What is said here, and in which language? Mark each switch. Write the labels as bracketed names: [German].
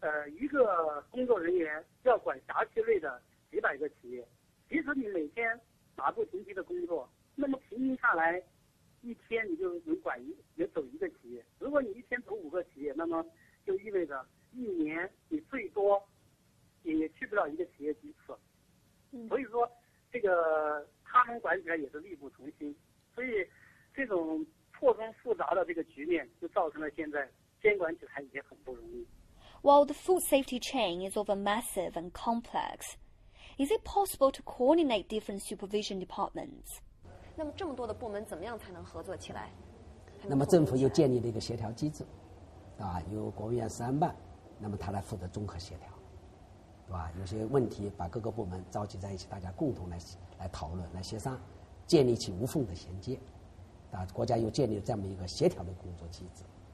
[Chinese] 一个工作人员要管辖区内的几百个企业，即使你每天马不停蹄的工作，那么平均下来一天你就能管能走一个企业，如果你一天走五个企业，那么就意味着一年你最多也去不了一个企业几次，所以说这个他们管起来也是力不从心，所以这种错综复杂的这个局面就造成了现在监管起来也很不容易。 [English] While the food safety chain is over massive and complex, is it possible to coordinate different supervision departments? [Chinese] 那么这么多的部门怎么样才能合作起来？那么政府又建立了一个协调机制啊，由国务院商办，那么他来负责综合协调，是吧？有些问题把各个部门召集在一起，大家共同来讨论、来协商，建立起无缝的衔接，啊，国家又建立了这么一个协调的工作机制。